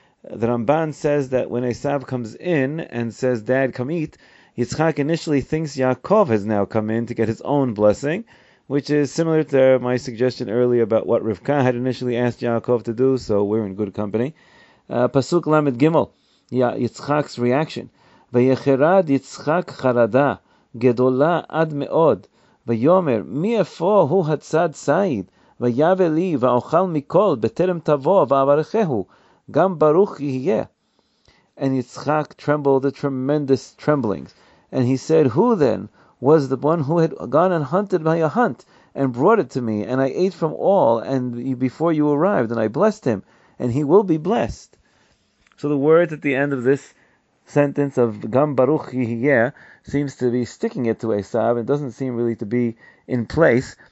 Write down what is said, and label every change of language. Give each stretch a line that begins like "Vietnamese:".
English: The Ramban says that when Esav comes in and says, Dad, come eat, Yitzchak initially thinks Yaakov has now come in to get his own blessing, which is similar to my suggestion earlier about what Rivka had initially asked Yaakov to do, so we're in good company. Pasuk Lamed Gimel, Yitzchak's reaction.
Hebrew: ויחרד יצחק חרדה גדולה עד מאוד ויאמר מי אפוא הוא הצד סעיד ויבא לי ואוכל מכל בטרם תבוא ואברכהו גם ברוך יהיה.
English: And Yitzchak trembled a tremendous trembling, and he said, who then was the one who had gone and hunted by a hunt and brought it to me, and I ate from all and before you arrived, and I blessed him, and he will be blessed. So the words at the end of this sentence of Gam Baruch Yihyeh seems to be sticking it to Esav, and doesn't seem really to be in place.